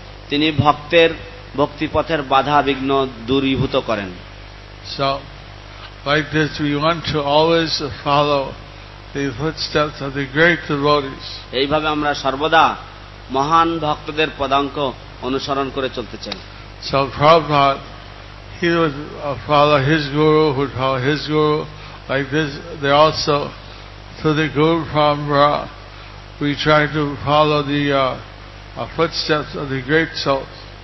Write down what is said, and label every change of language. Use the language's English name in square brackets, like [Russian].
[Bangla] তিনি ভক্তের ভক্তিপথের বাধা বিঘ্ন দূরীভূত করেন। [English] So, like this, we want to always follow the footsteps of the great devotees. [Bangla] এইভাবে আমরা সর্বদা মহান ভক্তদের পদাঙ্ক অনুসরণ করে চলতে চাই। [English] So Prabhupada, he would follow his guru, who would follow his guru, like this, they also, through the guru parampara, we try to follow the footsteps of the great souls.